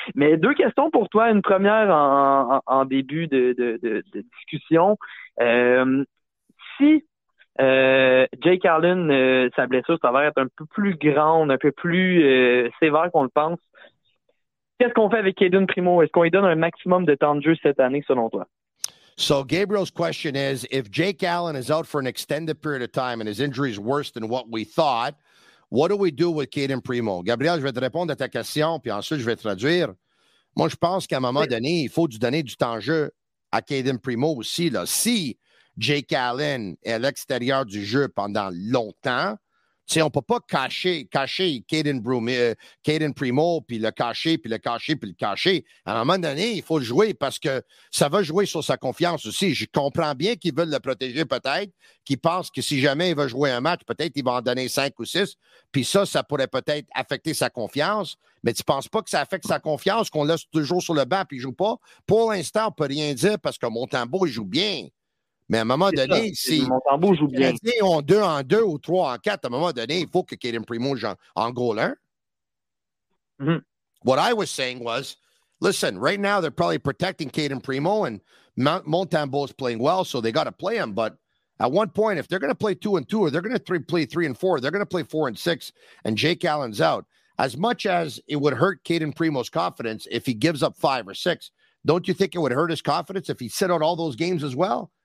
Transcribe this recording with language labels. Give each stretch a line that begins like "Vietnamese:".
French: Mais deux questions pour toi. Une première en début de discussion. Jake Allen, sa blessure, ça va être un peu plus grande, un peu plus sévère qu'on le pense. Qu'est-ce qu'on fait avec Caden Primo? Est-ce qu'on lui donne un maximum de temps de jeu cette année, selon toi?
English: So Gabriel's question is, if Jake Allen is out for an extended period of time and his injury is worse than what we thought, what do we do with Caden Primo?
French: Gabriel, je vais te répondre à ta question, puis ensuite je vais traduire. Moi, je pense qu'à un moment donné, il faut donner du temps de jeu à Caden Primo aussi. Là. Si Jake Allen est à l'extérieur du jeu pendant longtemps, tu sais, on ne peut pas cacher Caden Primo, puis le cacher, puis le cacher, puis le cacher. À un moment donné, il faut le jouer parce que ça va jouer sur sa confiance aussi. Je comprends bien qu'ils veulent le protéger peut-être, qu'ils pensent que si jamais il va jouer un match, peut-être il va en donner 5 ou 6. Puis ça pourrait peut-être affecter sa confiance. Mais tu ne penses pas que ça affecte sa confiance, qu'on laisse toujours sur le banc, puis il ne joue pas? Pour l'instant, on ne peut rien dire parce que Montembeau, il joue bien. Mais à un moment donné, si les Canadiens ont 2-2 ou 3-4, à un moment donné, il faut que Caden Primo en goal 1. Mm-hmm.
English: What I was saying was, listen, right now they're probably protecting Caden Primo and Montembeau is playing well, so they got to play him. But at one point, if they're going to play 2-2 or they're going to play 3-4, they're going to play 4-6 and Jake Allen's out. As much as it would hurt Caden Primo's confidence if he gives up 5 or 6, don't you think it would hurt his confidence if he sit out all those games as well?